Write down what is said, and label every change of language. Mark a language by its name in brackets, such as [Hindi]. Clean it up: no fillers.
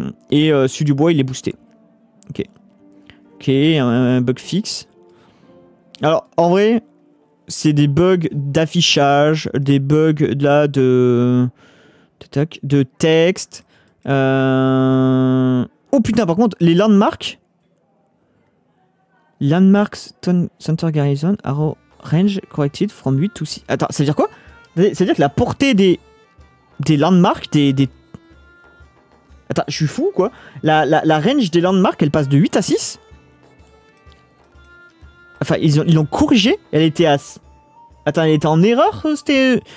[French] Et celui du bois, il est boosté. Ok. Ok, un bug fix. Alors, en vrai, c'est des bugs d'affichage, des bugs là de texte. Oh putain, par contre, les landmarks, [English] Landmarks Center Garrison Arrow Range Corrected from 8 to 6. [French] Attends, ça veut dire quoi? Ça veut dire que la portée des landmarks, des... Attends, je suis fou quoi? La range des landmarks, elle passe de 8 à 6? Enfin, ils l'ont corrigée. Elle était à... Attends, elle était en erreur, c'était...